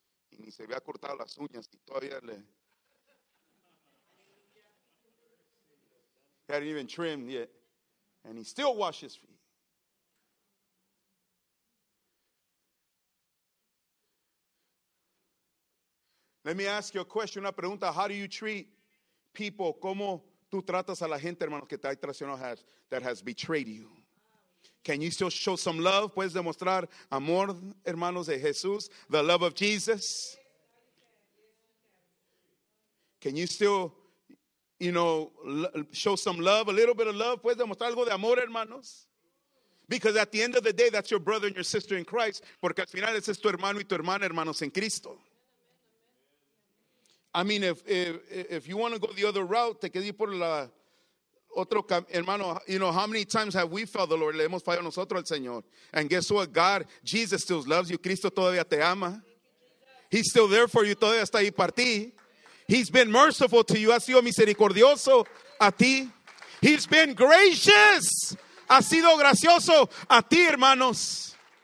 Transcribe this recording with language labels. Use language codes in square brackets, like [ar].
[es] Y ni se había cortado las uñas y todavía le... [en] He hadn't even trimmed yet. And he still washes feet. Let me ask you a question, [es] una pregunta. [en] How do you treat people? [es] ¿Cómo tú tratas a la gente, hermanos, que te ha traicionado, [en] that has betrayed you? Can you still show some love? [es] ¿Puedes demostrar amor, hermanos, de Jesús? [en] The love of Jesus? Can you still... You know, show some love, a little bit of love. [es] ¿Puedes demostrar algo de amor, hermanos? [en] Because at the end of the day, that's your brother and your sister in Christ. [es] Porque al final ese es tu hermano y tu hermana, hermanos, en Cristo. [en] I mean, if you want to go the other route, [es] te quedé por la otro hermano. [en] You know, how many times have we failed the Lord? [es] Le hemos fallado nosotros al Señor. [en] And guess what? God, Jesus still loves you. [es] Cristo todavía te ama. [en] He's still there for you. [es] Todavía está ahí para ti. [en] He's been merciful to you. [es] Ha sido misericordioso a ti. [en] He's been gracious. [es] Ha sido gracioso a ti, hermanos.